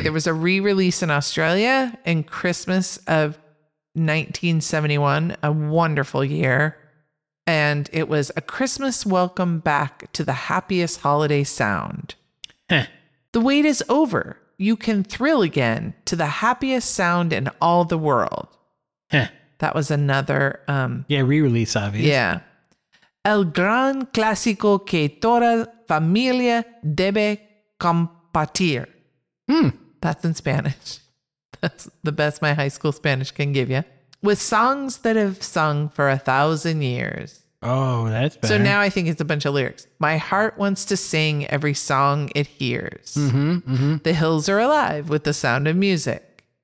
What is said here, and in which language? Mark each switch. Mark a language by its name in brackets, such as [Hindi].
[English] There was a re-release in Australia in Christmas of 1971, a wonderful year. And it was a Christmas welcome back to the happiest holiday sound. Huh. The wait is over. You can thrill again to the happiest sound in all the world. Huh. That was another... re-release, obviously. Yeah. [Spanish] El gran clásico que toda familia debe compartir. Hmm. [English] That's in Spanish. That's the best my high school Spanish can give you. With songs that have sung for 1,000 years. Oh, that's better. So now I think it's a bunch of lyrics. My heart wants to sing every song it hears. Mm-hmm, mm-hmm. The hills are alive with the sound of music.